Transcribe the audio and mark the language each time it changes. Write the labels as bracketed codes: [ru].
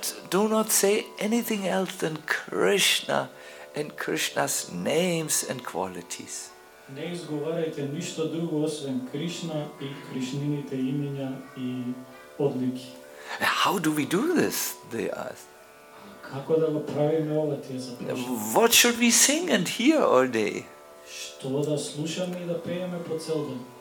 [en] Do not say anything else than Krishna and Krishna's names and qualities. [mk] Не изговарајте ништо друго освен Кришна и Кришнините имења и одлики. [en] How do we do this? They asked. [mk] Како да го правиме ова, тие запрашале. [en] What should we sing and hear all day? [mk] Што да слушаме и да пееме по цел ден?